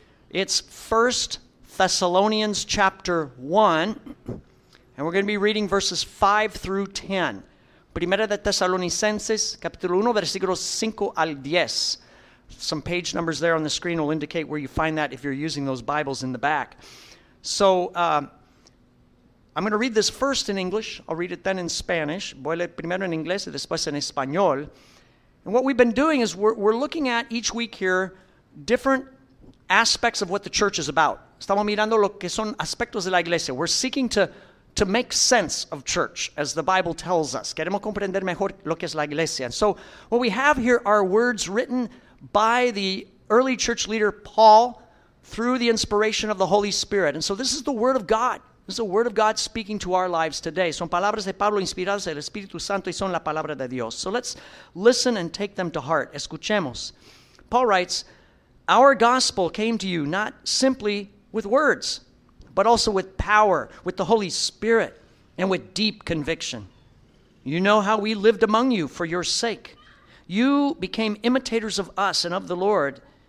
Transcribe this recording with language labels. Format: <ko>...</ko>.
<en>It's 1 Thessalonians chapter 1, and we're going to be reading verses 5 through 10.</en> <es>Primera de Tesalonicenses, capítulo 1, versículos 5 al 10.</es> <en>Some page numbers there on the screen will indicate where you find that if you're using those Bibles in the back. So I'm going to read this first in English. I'll read it then in Spanish.</en> <es>Voy a leer primero en inglés y después en español.</es> <en>And what we've been doing is we're looking at each week here different aspects of what the church is about.</en> <es>Estamos mirando lo que son aspectos de la iglesia.</es> <en>We're seeking to make sense of church, as the Bible tells us.</en> <es>Queremos comprender mejor lo que es la iglesia.</es> <en>And so what we have here are words written by the early church leader Paul through the inspiration of the Holy Spirit. And so this is the Word of God. This is the Word of God speaking to our lives today.</en> <es>Son palabras de Pablo inspiradas del Espíritu Santo y son la palabra de Dios.</es> <en>So let's listen and take them to heart.</en> <es>Escuchemos.</es> <en>Paul writes, "Our gospel came to you not simply with words, but also with power, with the Holy Spirit, and with deep conviction. You know how we lived among you for your sake. You became imitators of us and of the Lord.</en>